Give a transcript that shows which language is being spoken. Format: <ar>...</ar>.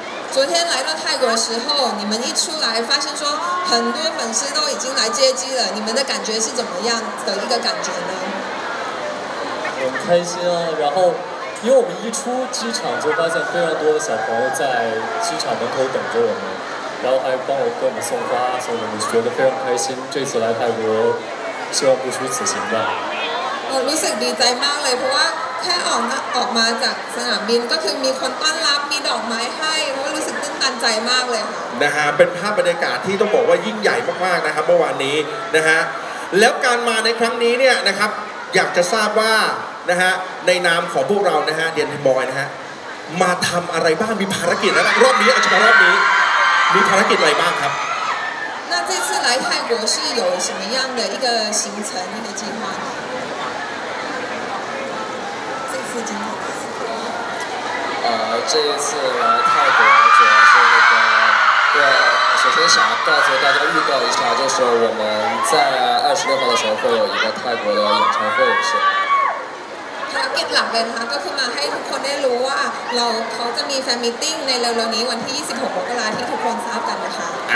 <zh>昨天来到泰国的时候你们一出来发现说很多粉丝都已经来接机了你们的感觉是怎么样的一个感觉呢很开心啊然后因为我们一出机场就发现非常多的小朋友在机场门口等着我们然后还帮我给我们送花什么的，我觉得非常开心。这次来泰国，希望不虚此行吧。</zh> <th>我รู้สึกดีใจมากเลยเพราะว่าแค่ออกมาจากสนามบินก็คือมีคนต้อนรับมีดอกไม้ให้ก็รู้สึกตื่นตันใจมากเลย นะฮะเป็นภาพบรรยากาศที่ต้องบอกว่ายิ่งใหญ่มากๆนะครับเมื่อวานนี้นะฮะแล้วการมาในครั้งนี้เนี่ยนะครับอยากจะทราบว่านะฮะในนามของพวกเรานะฮะเดียนบอยนะฮะมาทำอะไรบ้างมีภารกิจอะไรรอบนี้อาจจะมารอบนี้มีภารกิจอะไรบ้างครับ</th> <zh>那这次来泰国是有什么样的一个行程一个计划呢？这次今天这一次来泰国主要是那个对。首先想告诉大家预告一下，就是我们在26号的时候会有一个泰国的演唱会，是。</zh> <th>ภารกิจหลักเลยนะคะก็คือมาให้ทุกคนได้รู้ว่าเราเขาจะมีแฟนมีติ้งในเร็วๆนี้วันที่26 มกราคมที่ทุกคนทราบกันนะคะ</th>